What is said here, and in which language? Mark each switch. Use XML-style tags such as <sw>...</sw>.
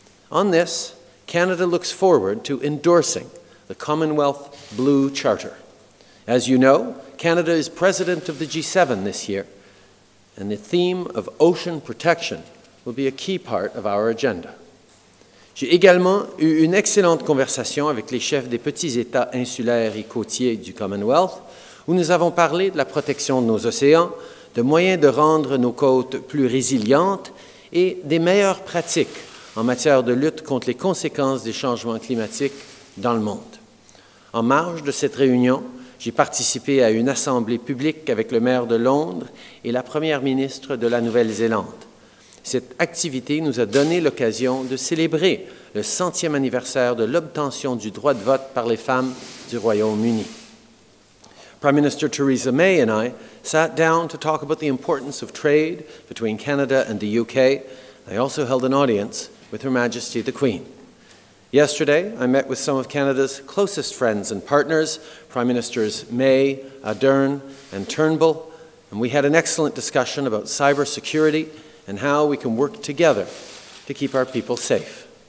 <en>On this, Canada looks forward to endorsing the Commonwealth Blue Charter. As you know, Canada is president of the G7 this year, and the theme of ocean protection will be a key part of our agenda.</en> <fr>J'ai également eu une excellente conversation avec les chefs des petits États insulaires et côtiers du Commonwealth, où nous avons parlé de la protection de nos océans, de moyens de rendre nos côtes plus résilientes et des meilleures pratiques en matière de lutte contre les conséquences des changements climatiques dans le monde. En marge de cette réunion, j'ai participé à une assemblée publique avec le maire de Londres et la première ministre de la Nouvelle-Zélande. Cette activité nous a donné l'occasion de célébrer le 100e anniversaire de l'obtention du droit de vote par les femmes du Royaume-Uni.</fr> <en>Prime Minister Theresa May and I sat down to talk about the importance of trade between Canada and the UK. I also held an audience with Her Majesty the Queen. Yesterday, I met with some of Canada's closest friends and partners, Prime Ministers May, Ardern, and Turnbull, and we had an excellent discussion about cybersecurity and how we can work together to keep our people safe.</en>